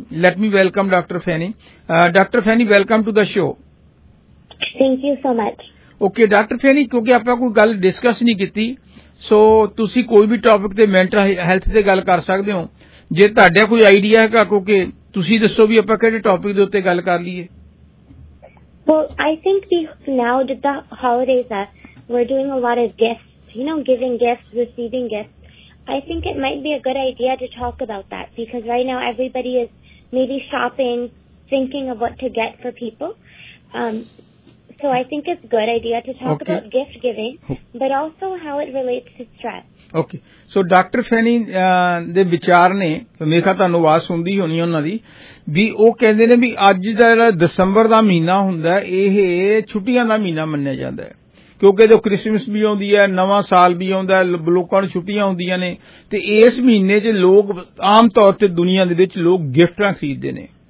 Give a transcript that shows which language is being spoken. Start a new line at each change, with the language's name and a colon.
English: Let me welcome doctor Fanny. Doctor Fanny, welcome to the show. Thank you so much.
Punjabi: Okay doctor ਫੈਨੀ, ਕਿਉਂਕਿ ਆਪਾਂ ਕੋਈ ਗੱਲ discuss ਨਹੀਂ ਕੀਤੀ, ਸੋ ਤੁਸੀਂ ਕੋਈ ਵੀ ਟੌਪਿਕ ਤੇ ਮੈਂਟਲ ਹੈਲਥ ਤੇ ਗੱਲ ਕਰ ਸਕਦੇ ਹੋ, ਜੇ ਤੁਹਾਡਾ ਕੋਈ ਆਈਡੀਆ ਹੈਗਾ, ਕਿਉਂਕਿ ਤੁਸੀਂ ਦੱਸੋ ਵੀ ਆਪਾਂ ਕਿਹੜੇ ਟੌਪਿਕ ਦੇ ਉੱਤੇ ਗੱਲ ਕਰ ਲਈਏ।
English: Well, I think we now that the holidays are, we're doing a lot of gifts, you know, giving gifts, receiving gifts. I think it might be a good idea to talk about that because right now everybody is maybe shopping, thinking of what to get for people. So I think it's a good idea to talk okay. about gift giving, but also how it relates to stress.
Punjabi: Okay so doctor ਫੈਨੀ ਦੇ ਵਿਚਾਰ ਨੇ, ਮੇਰਾ ਤੁਹਾਨੂੰ ਆਵਾਜ਼ ਸੁਣਦੀ ਹੋਣੀ ਉਹਨਾਂ ਦੀ, ਵੀ ਉਹ ਕਹਿੰਦੇ ਨੇ ਵੀ ਅੱਜ ਦਾ ਜਿਹੜਾ ਦਸੰਬਰ ਦਾ ਮਹੀਨਾ ਹੁੰਦਾ ਇਹ ਛੁੱਟੀਆਂ ਦਾ ਮਹੀਨਾ ਮੰਨਿਆ ਜਾਂਦਾ, ਕਿਉਂਕਿ ਜੋ ਕ੍ਰਿਸਮਿਸ ਵੀ ਆਉਂਦੀ ਹੈ, ਨਵਾਂ ਸਾਲ ਵੀ ਆਉਂਦਾ, ਲੋਕਾਂ ਨੂੰ ਛੁੱਟੀਆਂ ਹੁੰਦੀਆਂ ਨੇ, ਤੇ ਇਸ ਮਹੀਨੇ 'ਚ ਲੋਕ ਆਮ ਤੌਰ 'ਤੇ ਦੁਨੀਆਂ ਦੇ ਵਿੱਚ ਲੋਕ ਗਿਫਟਾਂ ਖਰੀਦਦੇ ਨੇ,